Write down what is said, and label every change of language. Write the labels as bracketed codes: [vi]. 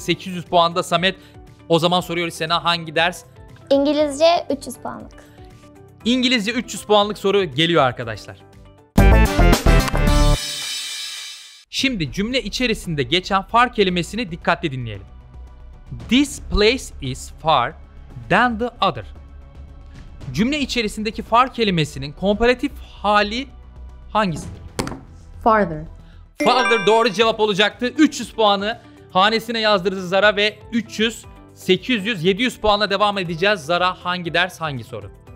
[tr] 800 puan da Samet. O zaman soruyoruz Sena, hangi ders? İngilizce 300 puanlık. İngilizce 300 puanlık soru geliyor arkadaşlar. Şimdi cümle içerisinde geçen far kelimesini dikkatle dinleyelim. [en] This place is far than the other. [tr] Cümle içerisindeki far kelimesinin komparatif hali hangisidir? [en] Farther. [tr] Farther doğru cevap olacaktı. 300 puanı hanesine yazdırdı Zara ve 300, 800, 700 puanla devam edeceğiz. Zara hangi ders, hangi soru?